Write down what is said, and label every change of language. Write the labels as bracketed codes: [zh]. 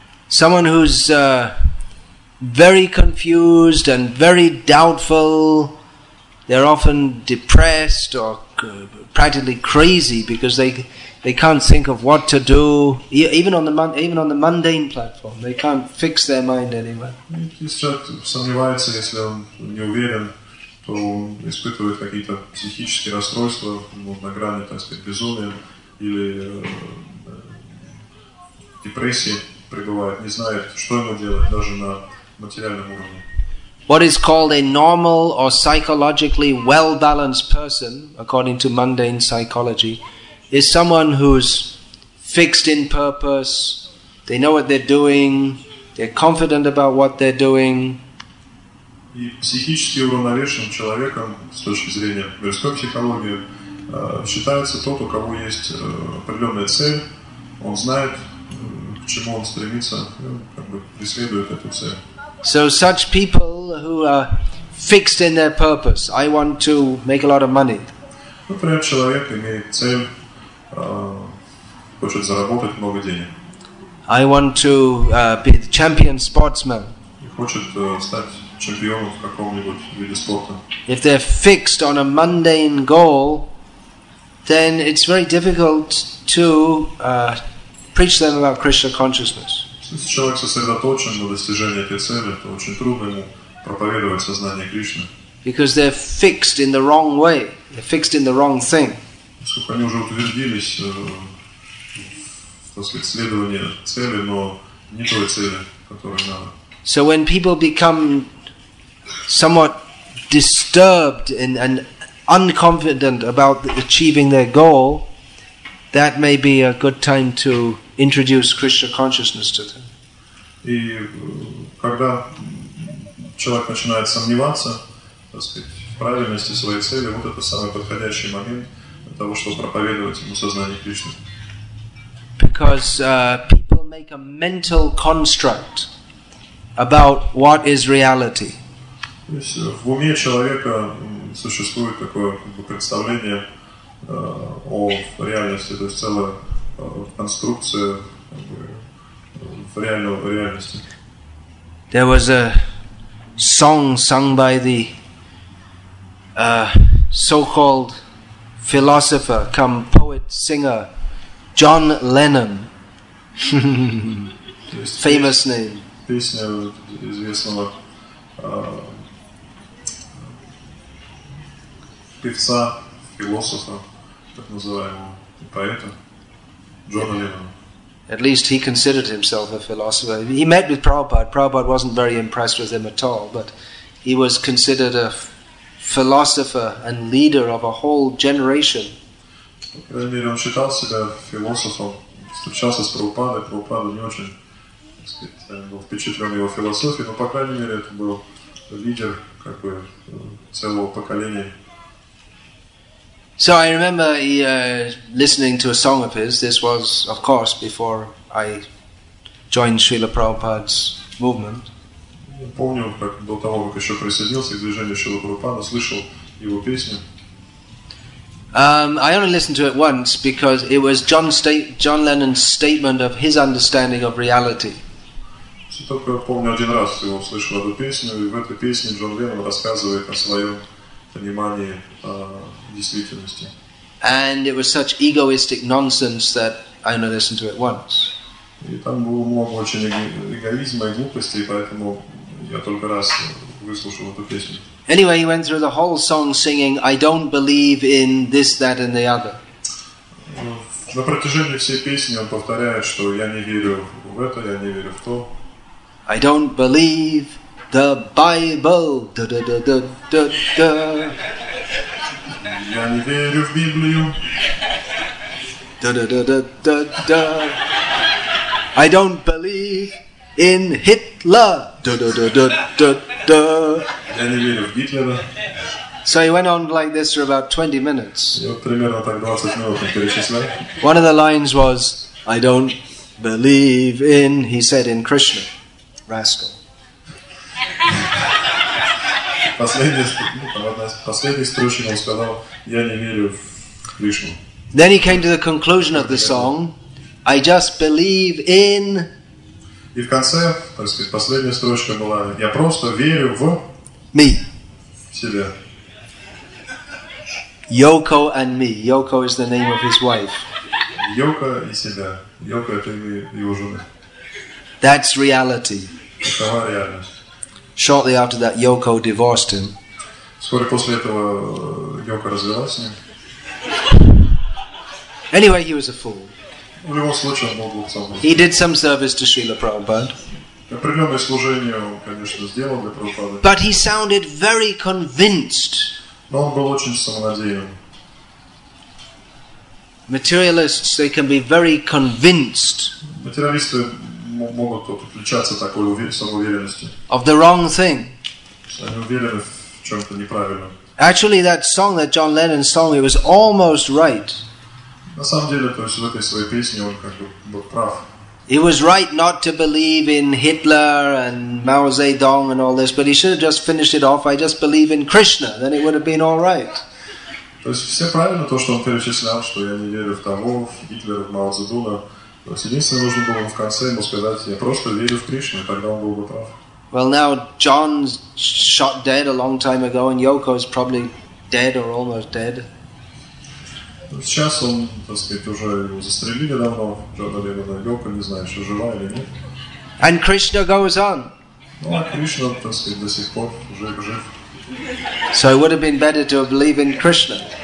[en] Someone who's very confused and very doubtful, they're often depressed or practically crazy because they can't think of what to do. Even on the mundane platform, they can't fix their mind anywhere. [ru] Сомневается, если он не уверен, то испытывает какие-то психические расстройства на грани, так сказать, безумия или депрессии. Пребывает, не знает, что ему делать, даже на материальном уровне. [en] What is called a normal or psychologically well-balanced person, according to mundane psychology, is someone who's fixed in purpose, they know what they're doing, they're confident about what they're doing. [ru] И психически уравновешенным человеком, с точки зрения мирской психологии, считается тот, у кого есть определенная цель, он знает, к чему он стремится, как бы преследует эту цель. [en] So such people who are fixed in their purpose, I want to make a lot of money. [ru] Например, человек имеет цель, хочет заработать много денег. [en] I want to be the champion sportsman. [ru] И хочет стать чемпионом в каком-нибудь виде спорта. [en] If they're fixed on a mundane goal, then it's very difficult to preach them about Krishna consciousness. [ru] Если человек сосредоточен на достижении этой цели, то очень трудно ему проповедовать сознание Кришны. [en] Because they're fixed in the wrong way, they're fixed in the wrong thing. [ru] Поскольку они уже утвердились в следовании цели, но не той цели, которую надо. [en] So when people become somewhat disturbed and unconfident about achieving their goal, that may be a good time to introduce Krishna consciousness to them. [ru] И когда человек начинает сомневаться, так сказать, в правильности своей цели, вот это самый подходящий момент для того, чтобы проповедовать ему сознание Кришны. [en] Because people make a mental construct about what is reality. [ru] То есть в уме человека существует такое представление о реальности, то есть целое конструкция в реальности. [en] There was a song sung by the so-called philosopher, come poet, singer, John Lennon. Famous name. [ru] Песня известного певца, философа, так называемого поэта. [en] At least he considered himself a philosopher. He met with Prabhupada. Prabhupada wasn't very impressed with him at all, but he was considered a philosopher and leader of a whole generation. [ru] Он считал себя философом. Встречался с Прабхупадой. Прабхупада не очень, был впечатлен его философией, но по крайней мере это был лидер как бы целого поколения. [en] So I remember listening to a song of his. This was, of course, before I joined Srila Prabhupada's movement. [ru] Я помню, как до того, как еще присоединился к движению Шрила Прабхупада, слышал его песню. [en] I only listened to it once because it was John Lennon's statement of his understanding of reality. [ru] Я только помню один раз, его слышал эту песню, и в этой песне Джон Леннон рассказывает о своем понимании действительности. [en] And it was such egoistic nonsense that I only listened to it once. [ru] И там было много очень эгоизма и глупости, поэтому я только раз выслушал эту песню. [en] Anyway, he went through the whole song singing, I don't believe in this, that and the other. [ru] На протяжении всей песни он повторяет, что я не верю в в это, я не верю в то. [en] I don't believe the Bible. Da-da-da-da-da-da. [ru] Я не верю в Библию. [en] Da-da-da-da-da-da. I don't believe in Hitler. Da-da-da-da-da-da. [ru] Я не верю в Гитлера. [en] So he went on like this for about 20 minutes. [ru] Примерно так 20 минут он перечислял. [en] One of the lines was, I don't believe in, he said, in Krishna. Rascal. [ru] Последний струшин он сказал, я не верю в Кришну. [en] Then he came to the conclusion of the song, I just believe in... [ru] И в конце, так сказать, последняя строчка была, я просто верю в... [en] Me. [ru] Себя. [en] Yoko and me. Yoko is the name of his wife. [ru] Yoko и себя. Yoko это его жена. [en] That's reality. [ru] Такова реальность. [en] Shortly after that, Yoko divorced him. [ru] Вскоре после этого Yoko развелась с ним. [en] Anyway, he was a fool. [ru] В любом случае, он был глупцом. [en] He did some service to Srila Prabhupada. [ru] Определенное служение он, конечно, сделал для Прабхупады. [en] But he sounded very convinced. [ru] Но он был очень самонадеян. [en] Materialists, they can be very convinced. [ru] Материалисты могут отличаться такой самоуверенностью. [en] Of the wrong thing. [ru] Они уверены в чем-то неправильном. [en] Actually, that song that John Lennon sang, it was almost right. [ru] На самом деле, то есть в этой своей песне он как бы прав. [en] He was right not to believe in Hitler and Mao Zedong and all this, but he should have just finished it off. I just believe in Krishna, then it would have been all right. [ru] То есть все правильно то, что он перечислял, что я не верю в того, в Гитлера, в Мао Цзэдуна. То есть единственное, нужно было в конце ему сказать, я просто верю в Кришну, тогда он был бы прав. [en] Well, now John's shot dead a long time ago, and Yoko's probably dead or almost dead. [ru] Сейчас он, так сказать, уже его застрелили давно, Джона Леннона, Йоко, не знаю, еще жива или нет. [en] And Krishna goes on. [ru] Ну, а Кришна, так сказать, до сих пор уже жив. [en] So it would have been better to believe in Krishna.